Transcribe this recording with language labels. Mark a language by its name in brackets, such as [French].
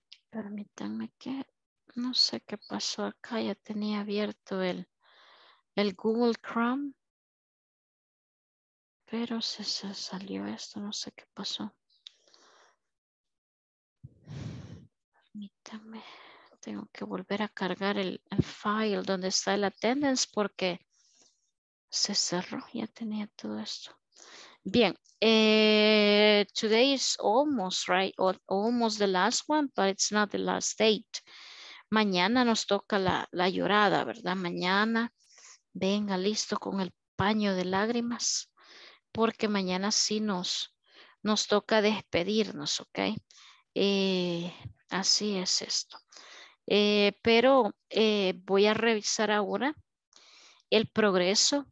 [Spanish] Permítanme que... No sé qué pasó acá, ya tenía abierto el Google Chrome, pero se salió esto, no sé qué pasó. Permítame, tengo que volver a cargar el file donde está el attendance porque se cerró, ya tenía todo esto. [English] Bien, today is almost, right? Almost the last one, but it's not the last date. [Spanish] Mañana nos toca la llorada, ¿verdad? Mañana venga listo con el paño de lágrimas, porque mañana sí nos toca despedirnos, ¿ok? Así es esto. Pero voy a revisar ahora el progreso.